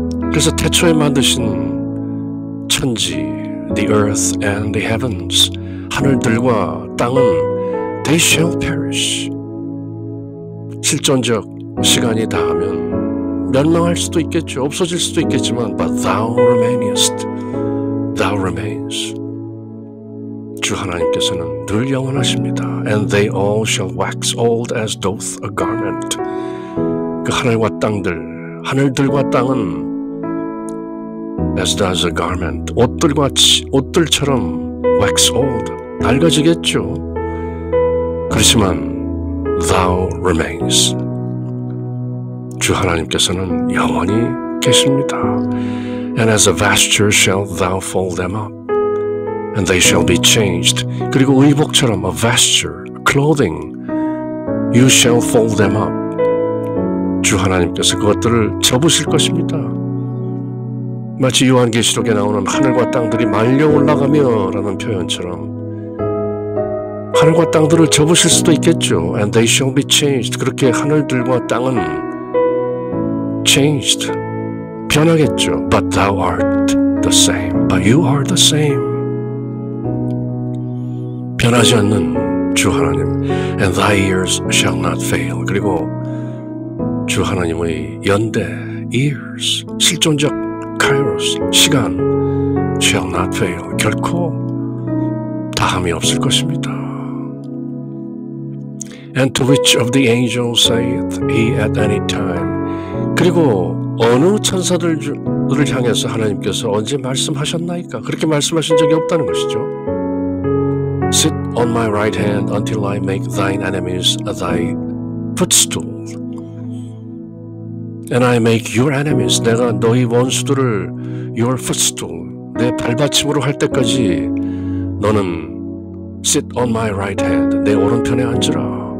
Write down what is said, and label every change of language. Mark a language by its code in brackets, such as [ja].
[ko] 그래서 태초에 만드신 천지 [en] The earth and the heavens [ko] 하늘들과 땅은 [en] they shall perish. [ko] 실존적 시간이 다하면 멸망할 수도 있겠죠. 없어질 수도 있겠지만 [en] but thou remainest. Thou remains. [ko] 주 하나님께서는 늘 영원하십니다. [en] And they all shall wax old as doth a garment. [ko] 그 하늘과 땅들, 하늘들과 땅은 [en] as does a garment. [ko] 옷들과 옷들처럼 [en] wax old. [ko] 낡아지겠죠. 그렇지만 [en] thou remains. [ko] 주 하나님께서는 영원히 계십니다. [en] And as a vesture shall thou fold them up. And they shall be changed. [ko] 그리고 의복처럼 [en] a vesture, clothing. You shall fold them up. [ko] 주 하나님께서 그것들을 접으실 것입니다. 마치 요한계시록에 나오는 하늘과 땅들이 말려 올라가며 라는 표현처럼 하늘과 땅들을 접으실 수도 있겠죠. [en] And they shall be changed. [ko] 그렇게 하늘들과 땅은 [en] changed. [ko] 변하겠죠. [en] But thou art the same. But you are the same. [ko] 변하지 않는 주 하나님. [en] And thy ears shall not fail. [ko] 그리고 주 하나님의 연대, ears, 실존적 kairos, 시간 [en] shall not fail. [ko] 결코 다함이 없을 것입니다. [en] And to which of the angels saith he at any time? [ko] 그리고 어느 천사들을 향해서 하나님께서 언제 말씀하셨나이까? 그렇게 말씀하신 적이 없다는 것이죠. [en] Sit on my right hand until I make thine enemies thy footstool. And I make your enemies, [ko] 내가 너희 원수들을 [en] your footstool, [ko] 내 발받침으로 할 때까지 너는 [en] sit on my right hand, [ko] 내 오른편에 앉으라.